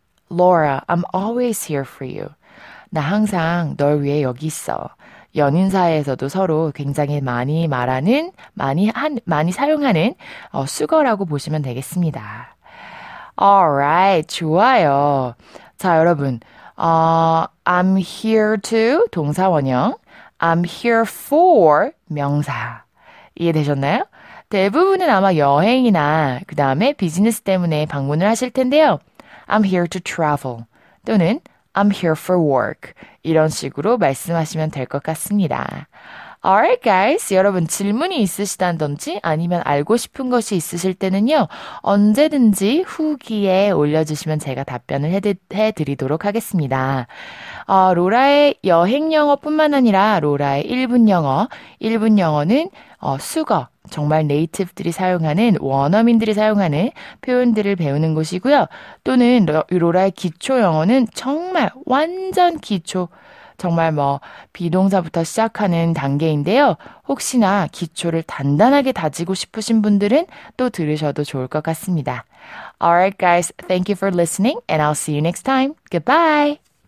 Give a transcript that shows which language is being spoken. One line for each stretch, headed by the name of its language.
English: Laura, I'm always here for you.
Korean: 나 항상 널 위해 여기 있어. 연인 사이에서도 서로 굉장히 많이 말하는, 많이 사용하는 수거라고 보시면 되겠습니다.
English: Alright,
Korean: 좋아요. 자, 여러분.
English: I'm here to 동사원형. I'm here for 명사.
Korean: 이해되셨나요? 대부분은 아마 여행이나 그 다음에 비즈니스 때문에 방문을 하실 텐데요.
English: I'm here to travel
Korean: 또는
English: I'm here for work
Korean: 이런 식으로 말씀하시면 될것 같습니다.
English: Alright, guys.
Korean: 여러분 질문이 있으시다든지 아니면 알고 싶은 것이 있으실 때는요. 언제든지 후기에 올려주시면 제가 답변을 해드리도록 하겠습니다. 로라의 여행 영어뿐만 아니라 로라의 1분 영어. 1분 영어는 수거. 정말 네이티브들이 사용하는, 원어민들이 사용하는 표현들을 배우는 곳이고요. 또는 로라의 기초 영어는 정말 완전 기초. 정말 뭐, 비동사부터 시작하는 단계인데요. 혹시나 기초를 단단하게 다지고 싶으신 분들은 또 들으셔도 좋을 것 같습니다.
English: Alright, guys. Thank you for listening and I'll see you next time. Goodbye.